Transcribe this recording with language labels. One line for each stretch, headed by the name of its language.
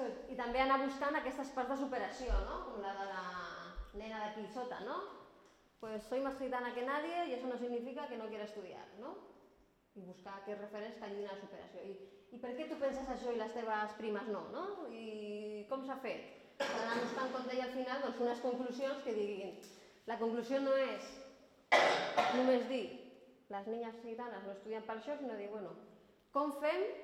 Catalan: I també anar buscant aquestes parts de superació, no? Com la de la nena d'aquí sota, no?
Spanish: Pues soy más gitana que nadie y eso no significa que no quiera estudiar, no?
Catalan: I buscar aquests referents que tinguin la superació. I per què tu penses això i les teves primes no, no? I com s'ha fet? Per anar buscant, com deia al final, doncs unes conclusions que diguin, la conclusió no és només dir les nenes gitanes no estudien per això, sinó dir, bueno, com fem?